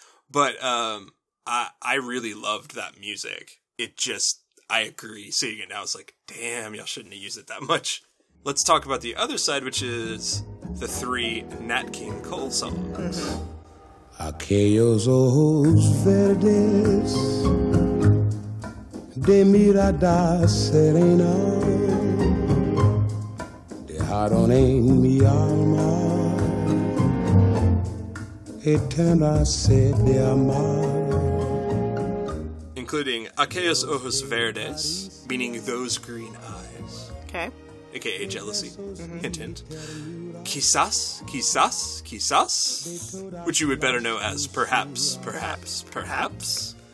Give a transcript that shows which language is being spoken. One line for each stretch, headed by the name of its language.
English: But I really loved that music. It just, I agree. Seeing it now, it's like, damn, y'all shouldn't have used it that much. Let's talk about the other side, which is the three Nat King Cole songs.
Spanish: Aquellos ojos verdes de mirada serena dejaron en mi alma eterna sed de amar.
English: Including Aquellos Ojos Verdes, meaning those green eyes. Okay. A.K.A. Jealousy. Mm-hmm. Hint, hint. Quizás, quizás, quizás. Which you would better know as perhaps, perhaps, perhaps.